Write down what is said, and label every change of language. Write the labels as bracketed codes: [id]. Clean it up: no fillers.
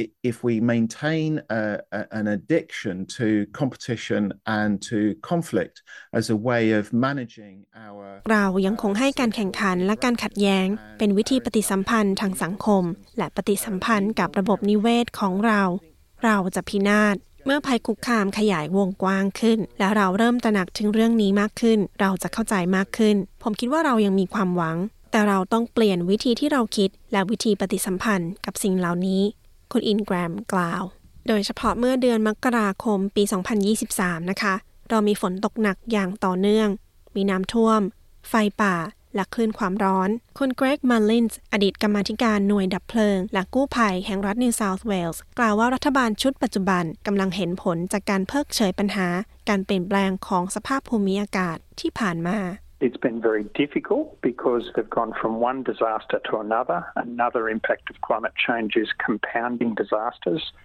[en] If we maintain an addiction to competition and to conflict as a way of managing our [th] เรายังคงให้การแข่งขันและการขัดแย้งเป็นวิธีปฏิสัมพันธ์ทางสังคมและปฏิสัมพันธ์กับระบบนิเวศของเราเราจะพินาศ เมื่อภัยคุกคามขยายวงกว้างขึ้นแล้วเราเริ่มตระหนักถึงเรื่องนี้มากขึ้นเราจะเข้าใจมากขึ้นผมคิดว่าเรายังมีความหวังแต่เราต้องเปลี่ยนวิธีที่เราคิดและวิธีปฏิสัมพันธ์กับสิ่งเหล่านี้คุณอินแกรมกล่าวโดยเฉพาะเมื่อเดือนมกราคมปี 2023นะคะเรามีฝนตกหนักอย่างต่อเนื่องมีน้ำท่วมไฟป่าและคลื่นความร้อนคุณเกรกมัลลินส์อดีตกรรมธิการหน่วยดับเพลิงและกู้ภัยแห่งรัฐนิวเซาท์เวลส์กล่าวว่ารัฐบาลชุดปัจจุบันกำลังเห็นผลจากการเพิกเฉยปัญหาการเปลี่ยนแปลงของสภาพภูมิอากาศที่ผ่านมา [en] It's been very difficult because they've gone from one disaster to another. Another impact of climate change is compounding disasters.